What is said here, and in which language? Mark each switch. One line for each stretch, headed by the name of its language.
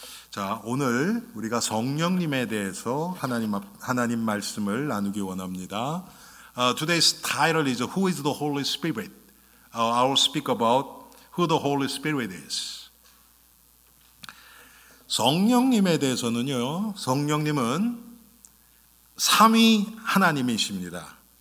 Korean: 자, 오늘 우리가 성령님에 대해서 하나님 말씀을 나누기 원합니다.
English: Today's title is Who is the Holy Spirit? I will speak about who the Holy Spirit is.
Korean: 성령님에 대해서는요, 성령님은 삼위 하나님이십니다.